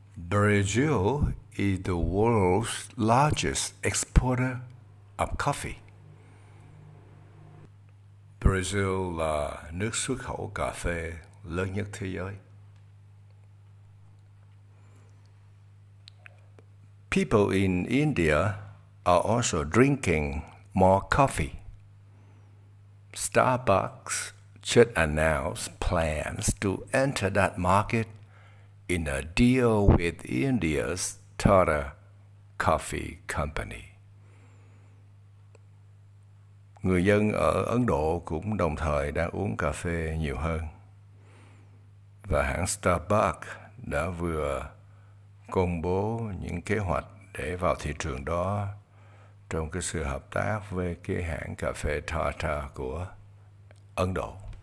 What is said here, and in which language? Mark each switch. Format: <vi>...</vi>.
<en>Brazil is the world's largest exporter of coffee.</en> <vi>Brazil là nước xuất khẩu cà phê lớn nhất thế giới.</vi> <en>People in India are also drinking more coffee. Starbucks should announce plans to enter that market in a deal with India's Tata Coffee Company.</en> <vi>Người dân ở Ấn Độ cũng đồng thời đang uống cà phê nhiều hơn. Và hãng Starbucks đã vừa công bố những kế hoạch để vào thị trường đó trong cái sự hợp tác với cái hãng cà phê Tata của Ấn Độ.</vi>